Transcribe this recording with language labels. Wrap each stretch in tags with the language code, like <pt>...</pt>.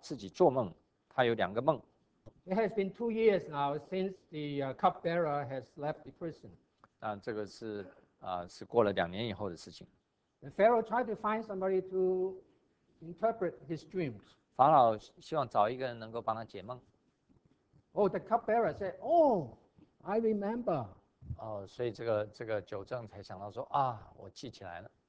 <zh>结果酒正忘了他，但是不久以后，法老自己做梦，他有两个梦。</zh> <en>It has been 2 years now since the cupbearer has left the prison.</en> <zh>这个是过了两年以后的事情。</zh> <en>The Pharaoh tried to find somebody to interpret his dreams.</en> <zh>法老希望找一个人能够帮他解梦。</zh> <en>Oh, the cupbearer said, oh, I remember.</en> <zh>所以这个酒正才想到说，我记起来了。</zh>